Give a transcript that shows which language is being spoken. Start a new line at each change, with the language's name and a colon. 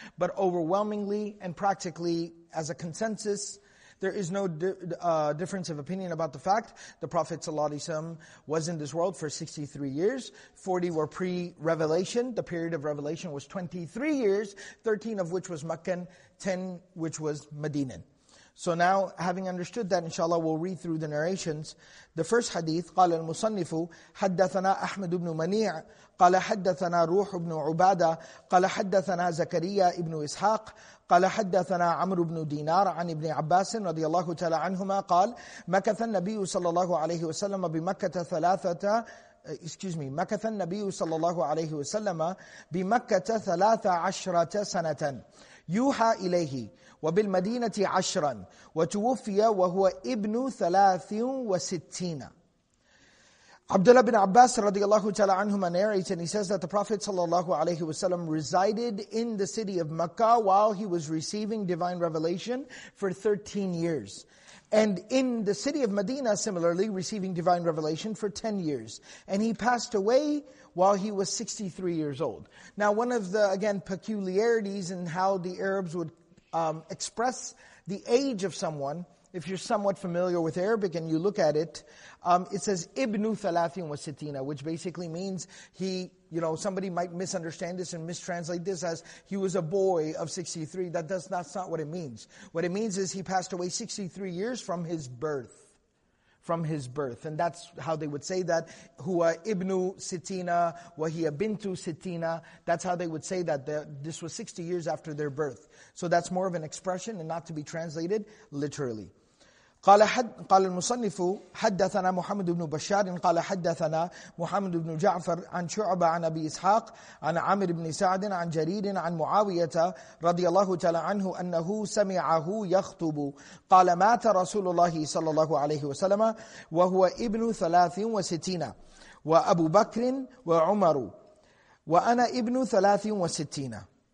English: But overwhelmingly and practically, as a consensus, there is no difference of opinion about the fact the Prophet ﷺ was in this world for 63 years. 40 were pre-revelation. The period of revelation was 23 years, 13 of which was Meccan, 10 which was Medinan. So now, having understood that, inshallah, we'll read through the narrations. The first hadith,
Arabic: قال المصنف حدثنا أحمد بن منيع قال حدثنا روح بن عبادة قال حدثنا زكريا بن إسحاق قال حدثنا عمرو بن دينار عن ابن عباس رضي الله تعالى عنهما قال مكث النبي صلى الله عليه وسلم بمكة ثلاثة مكث النبي صلى الله عليه وسلم بمكة 13 سنة يوحى إليه وبالمدينة عشرا وتوفي وهو ابن 63.
English: Abdullah bin Abbas radiallahu ta'ala anhuma narrates, and he says that the Prophet sallallahu alayhi wa sallam resided in the city of Makkah while he was receiving divine revelation for 13 years. And in the city of Medina similarly, receiving divine revelation for 10 years. And he passed away while he was 63 years old. Now one of the, again, peculiarities in how the Arabs would express the age of someone, if you're somewhat familiar with Arabic and you look at it, it says
Arabic: ibnu thalathin wa sittina,
English: which basically means somebody might misunderstand this and mistranslate this as he was a boy of 63. That's not what it means. What it means is he passed away 63 years from his birth. And that's how they would say that.
Arabic: Huwa ibnu sittina wa hiya bintu sittina.
English: That's how they would say that. This was 60 years after their birth. So that's more of an expression and not to be translated literally.
Arabic: قال المصنف حدثنا محمد بن بشار قال حدثنا محمد بن جعفر عن شعبة عن أبي إسحاق عن عامر بن سعد عن جرير عن معاوية رضي الله تعالى عنه أنه سمعه يخطب قال مات رسول الله صلى الله عليه وسلم وهو ابن 63 وأبو بكر وعمر وأنا ابن 63.